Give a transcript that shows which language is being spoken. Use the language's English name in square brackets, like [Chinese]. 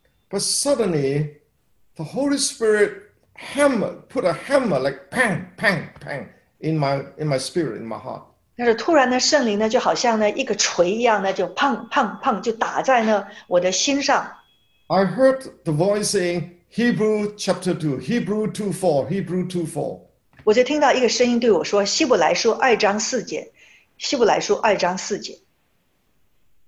[English] But suddenly, the Holy Spirit hammered, put a hammer like bang, bang, bang in my spirit, in my heart. [Chinese] 但是突然呢，圣灵呢就好像呢一个锤一样呢，就砰砰砰就打在呢我的心上。 [English] I heard the voice saying Hebrew chapter 2, Hebrew 2:4, Hebrew 2:4. [Chinese] 我就听到一个声音对我说：“希伯来书二章四节，希伯来书二章四节。”